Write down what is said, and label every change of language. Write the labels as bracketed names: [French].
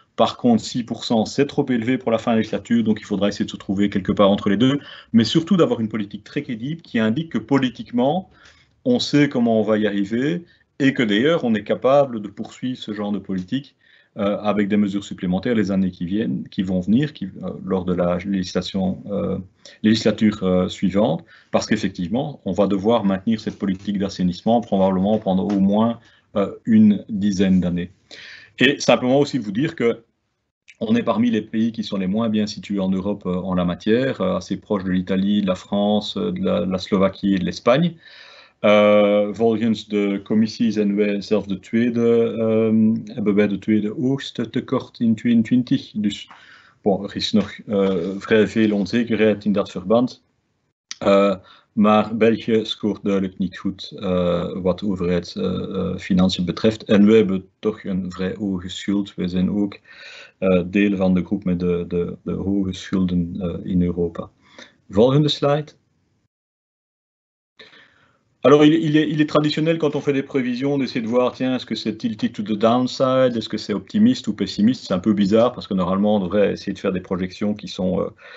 [French] Par contre, 6%, c'est trop élevé pour la fin de la législature, donc il faudra essayer de se trouver quelque part entre les deux, mais surtout d'avoir une politique très crédible qui indique que politiquement, on sait comment on va y arriver et que d'ailleurs, on est capable de poursuivre ce genre de politique avec des mesures supplémentaires les années qui vont venir lors de la législature suivante, parce qu'effectivement, on va devoir maintenir cette politique d'assainissement probablement pendant au moins une dizaine d'années. Et simplement aussi vous dire qu'on est parmi les pays qui sont les moins bien situés en Europe en la matière, assez proche de l'Italie, de la France, de la Slovaquie et de l'Espagne. [Dutch] Volgens de commissies en wij zelf de tweede, hebben wij de tweede hoogste tekort in 2020. Dus bon, er is nog vrij veel onzekerheid in dat verband. Maar België scoort duidelijk niet goed wat overheidsfinanciën betreft. En wij hebben toch een vrij hoge schuld. Wij zijn ook deel van de groep met de hoge schulden in Europa. Volgende slide. [French] Alors, il est traditionnel quand on fait des prévisions d'essayer de voir, tiens, est-ce que c'est [English] tilted to the downside, [French] est-ce que c'est optimiste ou pessimiste. C'est un peu bizarre parce que normalement, on devrait essayer de faire des projections qui sont